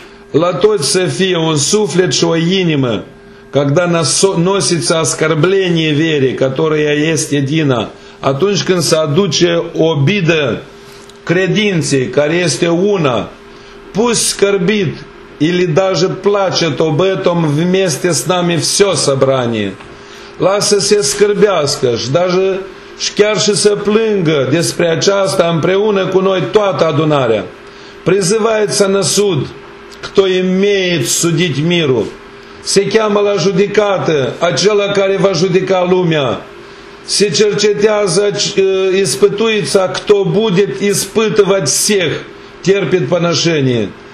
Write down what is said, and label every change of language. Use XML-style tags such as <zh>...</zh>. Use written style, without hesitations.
<ro>La toți să fie un suflet și o inimă,</ro> <ru>когда носится оскорбление вере, которая есть едина,</ru> <ro>atunci când se aduce obidă credinței, care este una,</ro> <ru>пусть скорбит или даже плачет об этом вместе с нами все собрание.</ru> <ro>Lasă să se scârbească și</ro> <ru>даже</ru> <ro>și chiar și să plângă despre aceasta împreună cu noi toată adunarea.</ro> <ru>Призывается на суд, кто имеет судить миру.</ru> <ro>Se cheamă la judecată acela care va judeca lumea. Se cercetează,</ro> <ru>испытуется, кто будет испытывать всех, терпит поношение.</ru>